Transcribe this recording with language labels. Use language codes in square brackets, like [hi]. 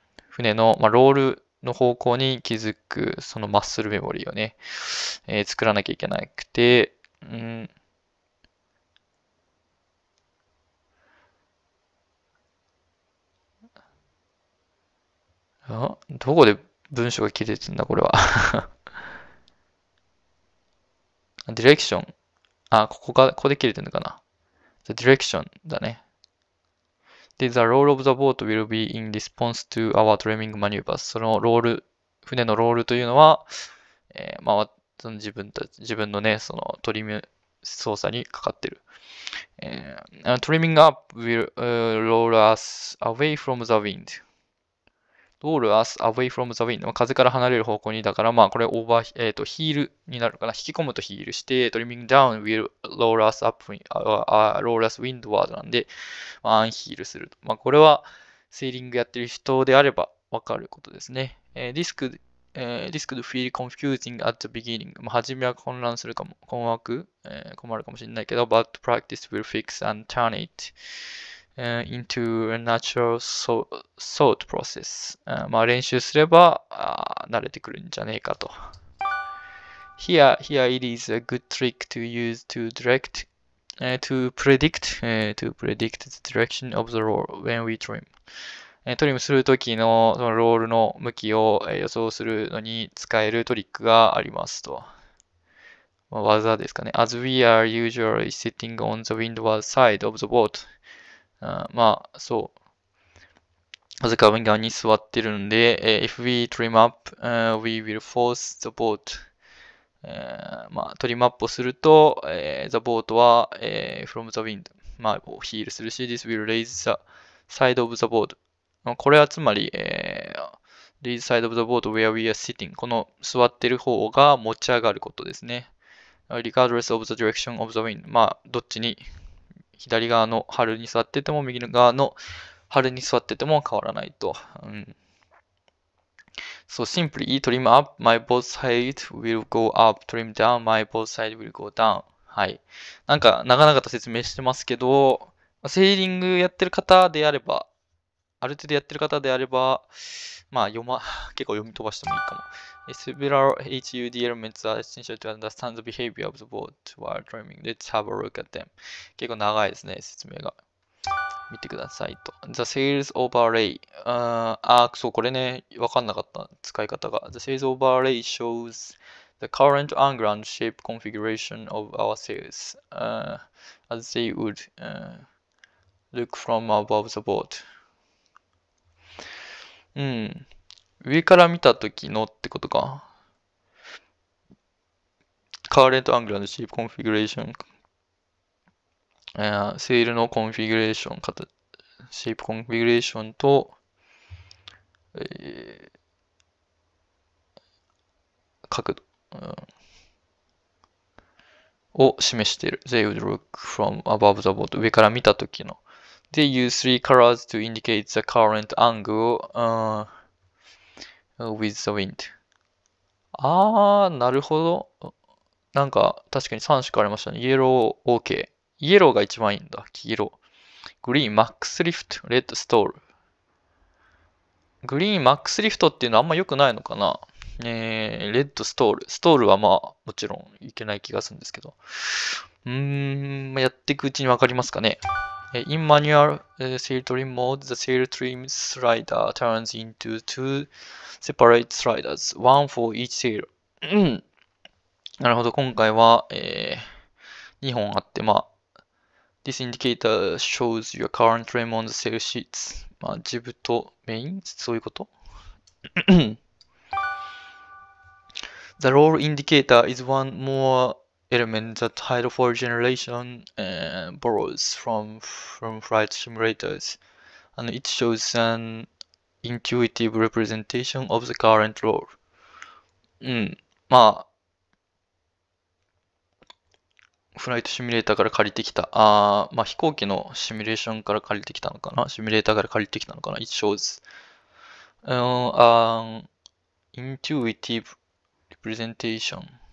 [ja] 船の、まあ、ロールの方向に気づく、そのマッスルメモリーをね、作らなきゃいけなくて、どこで文章が切れてんだ、これは。ディレクション。あ、ここで切れてんのかな。 [en] The direction だね。 The role of the boat will be in response to our trimming maneuvers. [ja] そのロール、船のロールというのは、まあ、その自分のね、そのトリム操作にかかってる。 [en] Trimming up will roll us away from the wind. Roll us away from the wind. [ja] 風から離れる方向に、だからまあ、これオーバー、ヒールになるかな。引き込むとヒールして、 [en] Trimming down will roll us up, roll us windward [ja] なんで、まあ、アンヒールすると。まあ、これはセーリングやってる人であればわかることですね。 [en] This could feel confusing at the beginning. [ja] まあ、初めは混乱するかも、困惑、困るかもしれないけど、 [en] But practice will fix and turn it. Into a natural thought process. [ja] まあ、練習すれば、慣れてくるんじゃねえかと。 [en] Here it is a good trick to use to direct, to predict, to predict the direction of the roll when we trim. [ja] トリムするときの、そのロールの向きを、予想するのに使えるトリックがありますと。まあ、技ですかね。 [en] As we are usually sitting on the windward side of the boat. [ja] まあ、そう。なぜか右側に座ってるんで、 [en] If we trim up, we will force the boat. [ja] まあ、トリムアップをすると、 [en] the boat [ja] は、 [en] from the wind. [ja] まあ、ヒールするし、 [en] This will raise the side of the boat. [ja] まあ、これはつまり、 [en] raise side of the boat where we are sitting. [ja] この座ってる方が持ち上がることですね。 [en] Regardless of the direction of the wind. [ja] まあ、どっちに。左側の春に座ってても右側の春に座ってても変わらないと。 [en] So simply trim up my both sides will go up, trim down my both sides will go down. [ja] なんか長々と説明してますけど、セーリングやってる方であれば、ある程度やってる方であれば、まあ結構読み飛ばしてもいいかも。 [en] Several HUD elements are essential to understand the behavior of the boat while trimming. Let's have a look at them. [ja] 結構長いですね、説明が。見てくださいと。 [en] The sails overlay. [ja] そう、これね、わかんなかった、使い方が。 [en] The sails overlay shows the current angle and shape configuration of our sails, as they would, look from above the boat. [ja] 上から見たときのってことか。 [en] Current angle and shape configuration. [ja] セールのコンフィギュレーション、シェイプコンフィグレーションと、角度、を示している。 [en] They would look from above the board. [ja] 上から見たときの。 [en] They use three colors to indicate the current angle, with the wind. [ja] あー、なるほど。なんか、確かに3色ありましたね。イエロー、OK。イエローが一番いいんだ。黄色。グリーン、マックスリフト、レッドストール。グリーン、マックスリフトっていうのはあんま良くないのかな。レッドストール。ストールはまあ、もちろんいけない気がするんですけど。やっていくうちにわかりますかね。 [en] In manual sail trim mode, the sail trim slider turns into two separate sliders, one for each sail. [ja] なるほど、今回は、2本あって、まあ、 [en] This indicator shows your current trim on the sail sheets. [ja] まあ、ジブとメイン？そういうこと？ [en] The roll indicator is one more element that Hydrofoil Generation borrows from flight simulators, and it shows an intuitive representation of the current roll. [ja] まあ、フライトシミュレーターから借りてきた。ああ、まあ、飛行機のシミュレーションから借りてきたのかな？シミュレーターから借りてきたのかな？ [en] It shows an intuitive representation.